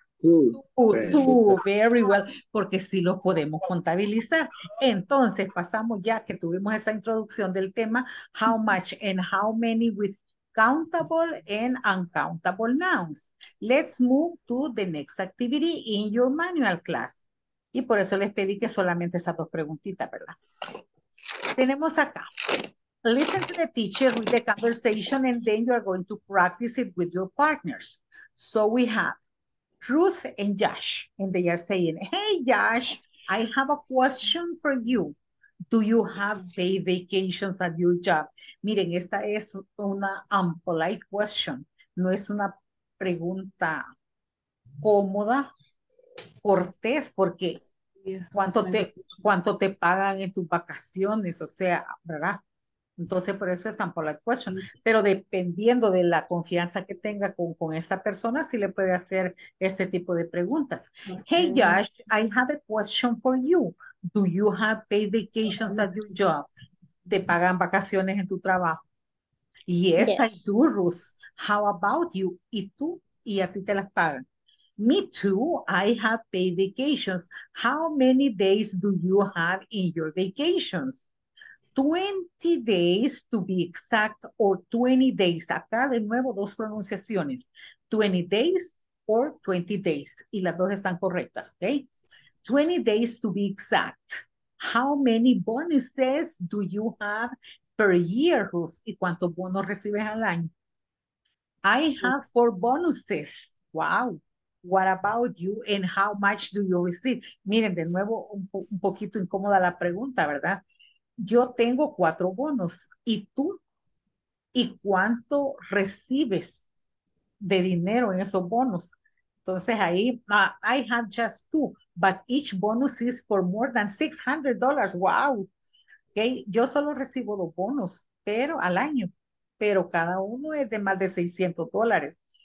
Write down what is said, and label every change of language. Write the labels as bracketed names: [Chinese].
[English] Two, very well, [Spanish] porque sí lo podemos contabilizar. Entonces, pasamos ya que tuvimos esa introducción del tema, [English] how much and how many with countable and uncountable nouns. Let's move to the next activity in your manual class. [Spanish] Y por eso les pedí que solamente esas dos preguntitas, ¿verdad? Tenemos acá. [English] Listen to the teacher with the conversation and then you are going to practice it with your partners. So we have Ruth and Josh. And they are saying, hey, Josh, I have a question for you. Do you have paid vacations at your job? [Spanish] Miren, esta es una [English] unpolite question. [Spanish] No es una pregunta cómoda. Cortés, porque ¿cuánto te pagan en tus vacaciones? O sea, ¿verdad? Entonces, por eso es [English] sample question. [Spanish] Pero dependiendo de la confianza que tenga con esta persona, sí le puede hacer este tipo de preguntas. [English] Hey, Josh, I have a question for you. Do you have paid vacations at your job? [Spanish] ¿Te pagan vacaciones en tu trabajo? [English] Yes, I do, Ruth. How about you? [Spanish] ¿Y tú? ¿Y a ti te las pagan? [English] Me too, I have paid vacations. How many days do you have in your vacations? 20 days to be exact, or 20 days. [Spanish] Acá de nuevo dos pronunciaciones. [English] 20 days or 20 days. [Spanish] Y las dos están correctas, okay? [English] 20 days to be exact. How many bonuses do you have per year, Ruth? [Spanish] ¿Y cuántos bonos recibes al año? [English] I have 4 bonuses. Wow. What about you and how much do you receive? [Spanish] Miren, de nuevo, un poquito incómoda la pregunta, ¿verdad? Yo tengo 4 bonos. ¿Y tú? ¿Y cuánto recibes de dinero en esos bonos? Entonces ahí, [English] I have just 2, but each bonus is for more than $600. Wow. Okay. [Spanish] Yo solo recibo 2 bonos, pero al año, pero cada uno es de más de $600.